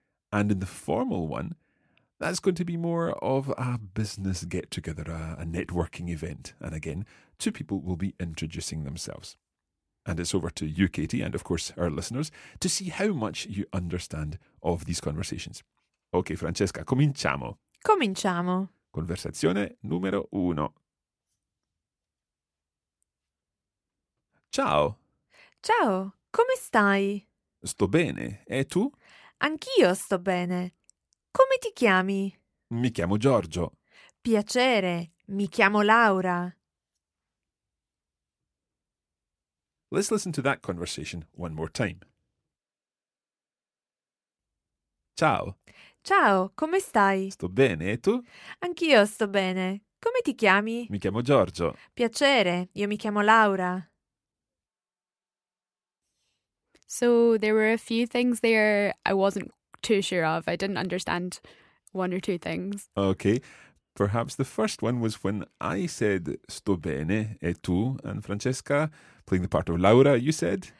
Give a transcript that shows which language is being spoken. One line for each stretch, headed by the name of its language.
English: And in the formal one, that's going to be more of a business get-together, a networking event. And again, 2 people will be introducing themselves. And it's over to you, Katie, and of course our listeners, to see how much you understand of these conversations.
Italian: Okay, Francesca, cominciamo. Cominciamo. Conversazione numero uno. Ciao. Ciao, come stai? Sto bene, e tu? Anch'io sto bene. Come ti chiami? Mi chiamo Giorgio. Piacere, mi chiamo Laura.
English: Let's listen to that conversation one more time.
Italian: Ciao. Ciao, come stai? Sto bene, e tu? Anch'io sto bene. Come ti chiami? Mi chiamo Giorgio. Piacere, io mi chiamo Laura.
English: So there were a few things there I wasn't too sure of. I didn't understand 1 or 2 things. Okay. Perhaps the first one was when I said, sto bene, e tu? And Francesca, playing the part of Laura, you said?